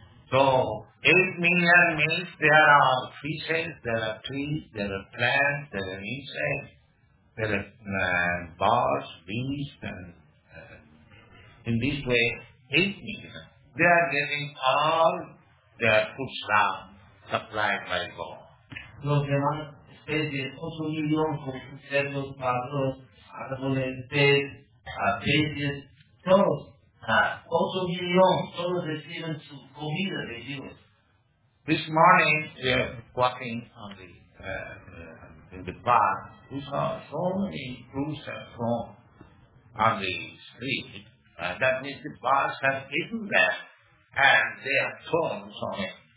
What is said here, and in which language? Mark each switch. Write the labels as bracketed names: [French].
[English] So, 8 million means there are fishes, there are trees, there are plants, there are insects, there are birds, bees, and in this way, 8 million. They are getting all their food stuff supplied by God. [Spanish] Los demás especies, [English] 8 million, [Spanish] cerdos, pájaros, árboles, peces, todos. [English] 8 million, [Spanish] todos reciben su comida de Dios. [English] This morning, we are walking on the in the path, we saw so many fruits and corn on the street. That means the boss has eaten them and they have thorns on it.